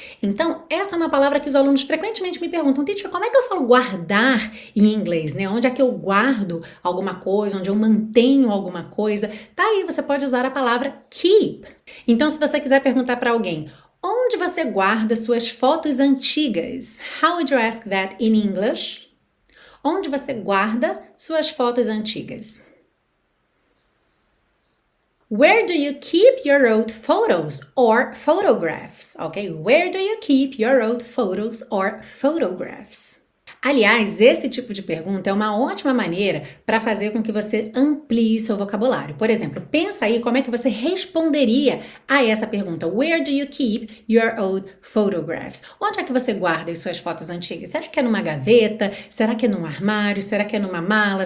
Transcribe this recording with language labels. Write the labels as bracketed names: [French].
[Portuguese] Então, essa é uma palavra que os alunos frequentemente me perguntam: Titi, como é que eu falo guardar em inglês, né? Onde é que eu guardo alguma coisa, onde eu mantenho alguma coisa? Tá aí, você pode usar a palavra keep. Então, se você quiser perguntar para alguém: onde você guarda suas fotos antigas? [English] How would you ask that in English? [Portuguese] Onde você guarda suas fotos antigas? [English] Where do you keep your old photos or photographs? Okay? Where do you keep your old photos or photographs? [Portuguese] Aliás, esse tipo de pergunta é uma ótima maneira para fazer com que você amplie seu vocabulário. Por exemplo, pensa aí como é que você responderia a essa pergunta: [English] Where do you keep your old photographs? [Portuguese] Onde é que você guarda as suas fotos antigas? Será que é numa gaveta? Será que é num armário? Será que é numa mala?